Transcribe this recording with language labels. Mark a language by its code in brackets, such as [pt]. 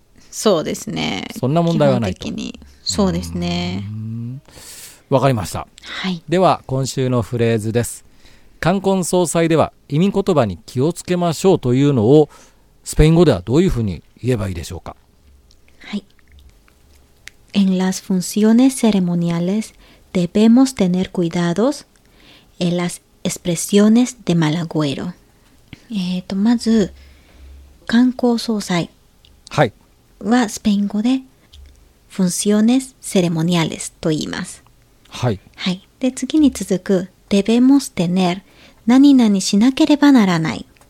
[ja] そうですね、そんな問題はないと。基本的にそうですね。わかりました。はい、では今週のフレーズです。冠婚葬祭では意味言葉に気をつけましょうというのをスペイン語ではどういうふうに言えばいいでしょうか。はい。 [es] En las funciones ceremoniales debemos tener cuidados en las expresiones de mal agüero。 [ja] まず、冠婚葬祭はスペイン語で [es] funciones ceremoniales [ja] と言います。はい。はい。で、次に続く、 [es] debemos tener、 [ja] 何々しなければならない。